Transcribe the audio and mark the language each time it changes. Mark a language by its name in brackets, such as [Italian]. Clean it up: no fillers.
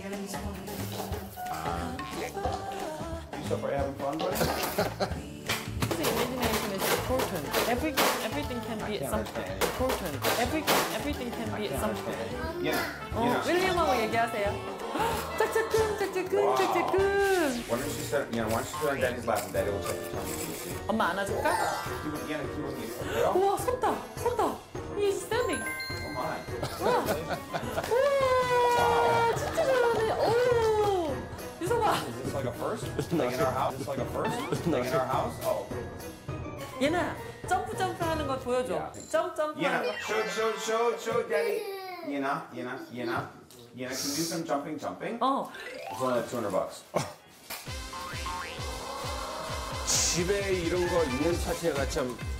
[English] Yeah, he's playing. You suffer having fun, buddy? See, imagination is important. Everything can be something. Everything can be something. Yeah. [Korean] 윌리엄하고 얘기하세요. 짝짝꿍. [English] Why don't you sit on Daddy's lap and Daddy will take your time to see. [Korean] 엄마 안아줄까? [English] Yeah, [Korean] 우와, 섰다. [English] He's standing. Oh my. Wow. Wow. [Korean] 진짜 잘하네. 오. 유성아. [English] Is this like a first? Is this like a first in our house? Oh. [Korean] 예나, 점프 하는 거 보여줘. 점프. [English] Yeah. Show, Daddy. 예나, 예나, 예나. 예나, can you do some jumping? Oh. It's only like $200. [Korean] 집에 이런 거 있는 자체가 참.